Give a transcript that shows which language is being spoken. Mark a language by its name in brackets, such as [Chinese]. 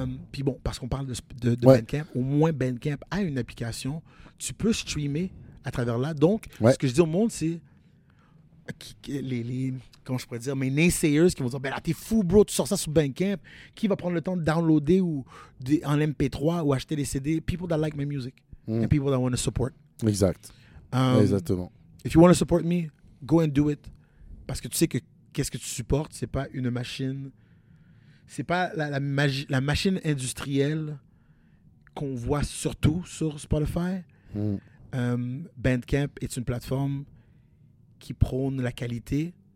[French] Puis bon, parce qu'on parle de Bandcamp, au moins Bandcamp a une application. Tu peux streamer à travers là. Donc, ce que je dis au monde, c'est mes naysayers qui vont dire « Ben là, t'es fou, bro, tu sors ça sur Bandcamp. Qui va prendre le temps de downloader ou en MP3 ou acheter des CD? [English] People that like my music and people that want to support. » [French] Exact. Exactement. [English] If you want to support me, go and do it. [French] Parce que tu sais que qu'est-ce que tu supportes, c'est pas une machine, c'est pas la machine industrielle qu'on voit surtout sur Spotify. Bandcamp est une plateforme qui prône la qualité.